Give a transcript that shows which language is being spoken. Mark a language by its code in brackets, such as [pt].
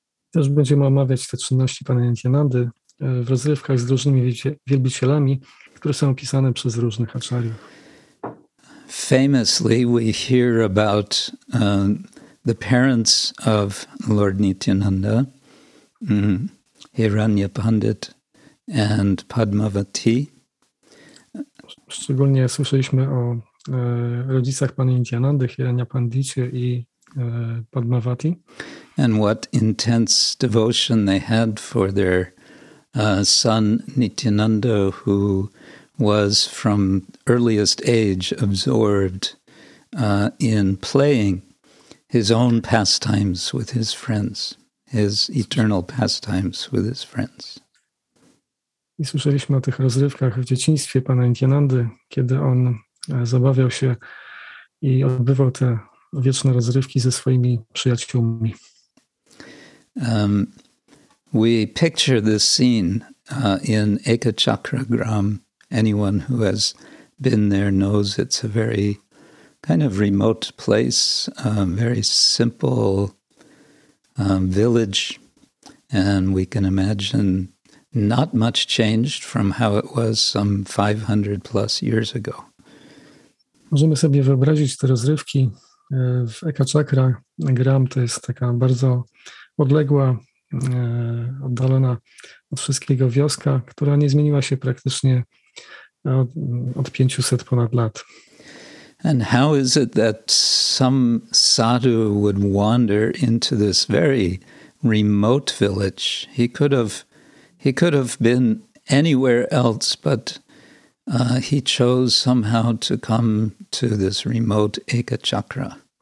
[pl] Też będziemy omawiać te czynności pana Nityanandy w rozrywkach z różnymi wielbicielami, które są opisane przez różnych acharyów. [en] Famously, we hear about the parents of Lord Nityananda, Hiranya Pandit and Padmavati. [pl] Szczególnie słyszeliśmy o rodzicach pana Nityanandy, Hiranya Pandicie i Padmavati. [en] And what intense devotion they had for their son Nityananda, who was from earliest age absorbed in playing his own pastimes with his friends, his eternal pastimes with his friends. [pl] I słyszeliśmy o tych rozrywkach w dzieciństwie pana Nityanandy, kiedy on zabawiał się i odbywał te wieczne rozrywki ze swoimi przyjaciółmi. [en] We picture this scene in Ekachakragram. Anyone who has been there knows it's a very kind of remote place, very simple village, and we can imagine not much changed from how it was some 500 plus years ago. [pl] Możemy sobie wyobrazić te rozrywki w Ekachakragram. To jest taka bardzo odległa, oddalona od wszystkiego wioska, która nie zmieniła się praktycznie od 500 ponad lat. [en] And how is it that some sadhu would wander into this very remote village? He could have been anywhere else, but he chose somehow to come to this remote Ekachakra.